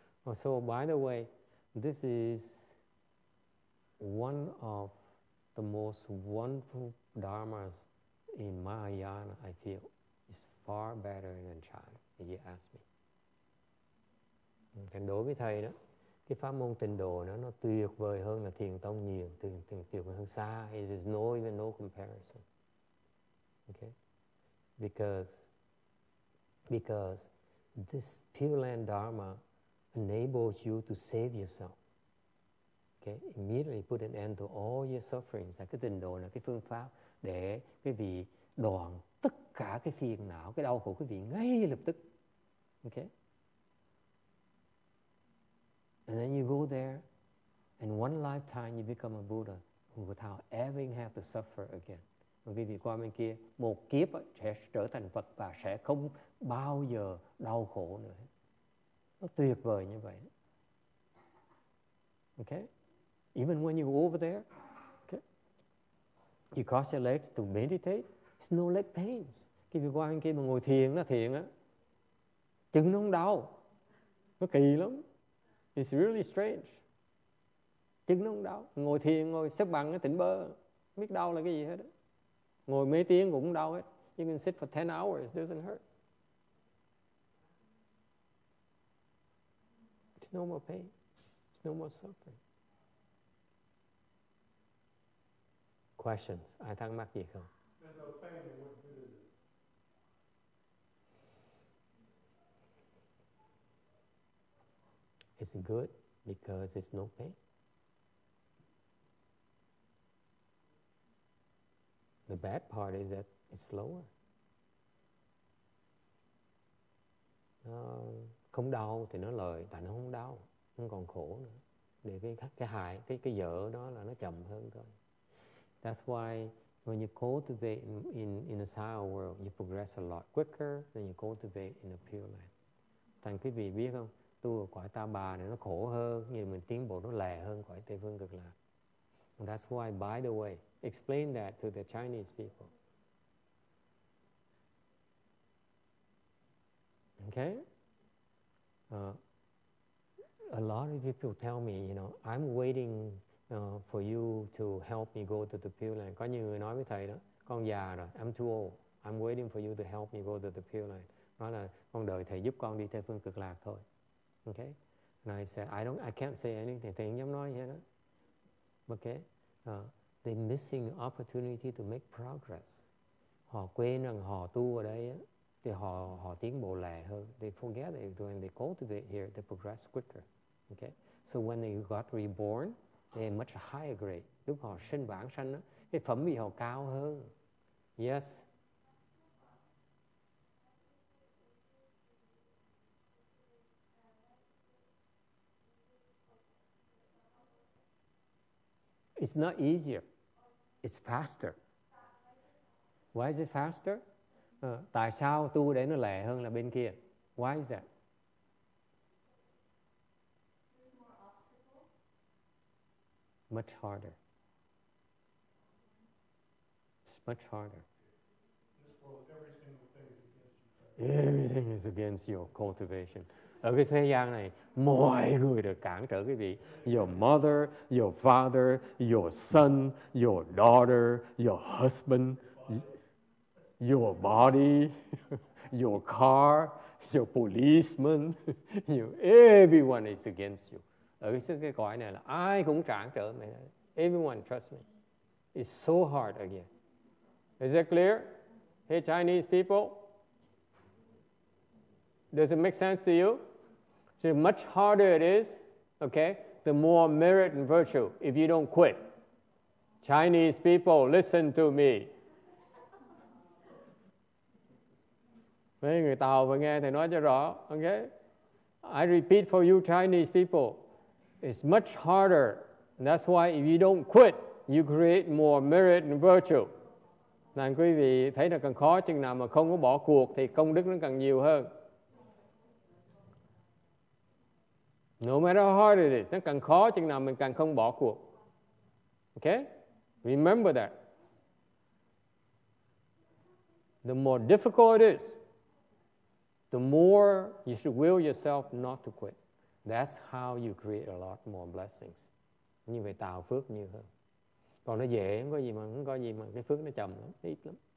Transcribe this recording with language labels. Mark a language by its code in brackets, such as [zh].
[en] Oh, so, by the way, this is one of the most wonderful dharmas in Mahayana, I feel. It's far better than chant, if you ask me. [vi] Thành đối với thầy đó, cái pháp môn tịnh độ nó tuyệt vời hơn là thiền tông nhiều, tuyệt vời hơn xa. [en] It is no even no comparison. Okay? Because this Pure Land Dharma enables you to save yourself. Okay? Immediately put an end to all your sufferings. [vi] Là cái tịnh độ là cái phương pháp để quý vị đoạn tất cả cái phiền não, cái đau khổ quý vị ngay lập tức. [en] Okay? And then you go there, and one lifetime you become a Buddha without ever having to suffer again. [vi] Một vị qua bên kia, một kiếp sẽ trở thành Phật và sẽ không bao giờ đau khổ nữa. Nó tuyệt vời như vậy. [en] Okay? Even when you go over there, okay? You cross your legs to meditate, it's no leg pains. [vi] Khi vị qua bên kia mà ngồi thiền, nó thiền á, chân nó không đau. Nó kỳ lắm. [en] It's really strange. [vi] Chân nó không đau. Ngồi thiền, ngồi xếp bằng, tỉnh bơ. Không biết đau là cái gì hết. Đó. Ngồi mấy tiếng cũng đau hết. [en] You can sit for 10 hours, it doesn't hurt. It's no more pain. It's no more suffering. Questions? [vi] Ai thắc mắc gì không? [en] It's good because it's no pain. The bad part is that it's slower. [vi] Không đau thì nó lợi, tại nó không đau, không còn khổ nữa. Để cái hại, cái dở đó là nó chậm hơn thôi. [en] That's why when you cultivate in the sour world, you progress a lot quicker than you cultivate in the pure land. [vi] Thành quý vị biết không? Tu ở quả ta bà này nó khổ hơn, nhưng mình tiến bộ nó lẹ hơn quả Tây Phương Cực Lạc. [en] And that's why, by the way, explain that to the Chinese people. Okay? A lot of people tell me, you know, I'm waiting for you to help me go to the Pure Land. [vi] Có nhiều người nói với thầy đó, con già rồi, [en] I'm too old. I'm waiting for you to help me go to the Pure Land. [vi] Nói là con đợi thầy giúp con đi Tây Phương Cực Lạc thôi. [en] Okay, and I said I can't say anything. [vi] Thầy không dám nói gì hết đó. [en] Okay, they missing opportunity to make progress. [vi] Họ quên rằng họ tu ở đây á, thì họ tiến bộ lẹ hơn. [en] They forget that when they cultivate here, they progress quicker. Okay, so when they got reborn, they have much higher grade. [vi] Lúc họ sinh vãng sanh á, cái phẩm vị họ cao hơn. [en] Yes. It's not easier. It's faster. Why is it faster? [vi] Tại sao tu để nó lẹ hơn là bên kia? [en] Why is that? Much harder. It's much harder. Everything is against your cultivation. [vi] Ở cái thế gian này, mọi người được cản trở quý vị. [en] Your mother, your father, your son, your daughter, your husband, your body, your car, your policeman, everyone is against you. [vi] Ở cái cõi này là ai cũng cản trở mày. [en] Everyone, trust me. It's so hard again. Is it clear? Hey, Chinese people. Does it make sense to you? The much harder it is, okay, the more merit and virtue if you don't quit. Chinese people, listen to me. [vi] Mấy người Tàu vừa nghe thầy nói cho rõ, okay? [en] I repeat for you Chinese people, it's much harder. And that's why if you don't quit, you create more merit and virtue. [vi] Nên quý vị thấy là càng khó chừng nào mà không có bỏ cuộc thì công đức nó càng nhiều hơn. [en] No matter how hard it is, [vi] nó càng khó chừng nào mình càng không bỏ cuộc. [en] Okay? Remember that. The more difficult it is, the more you should will yourself not to quit. That's how you create a lot more blessings. [vi] Như vậy tạo phước nhiều hơn. Còn nó dễ, không có gì mà cái phước nó chậm lắm, nó ít lắm.